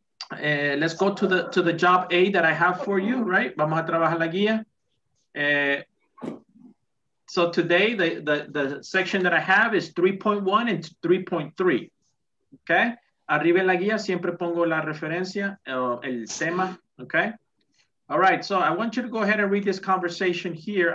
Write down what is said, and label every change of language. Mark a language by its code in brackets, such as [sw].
[en] Let's go to the job A that I have for you, right? [es] Vamos a trabajar la guía. [en] So today, the section that I have is 3.1 and 3.3, okay? [es] Arriba en la guía siempre pongo la referencia, el tema, okay? [en] All right, so I want you to go ahead and read this conversation here.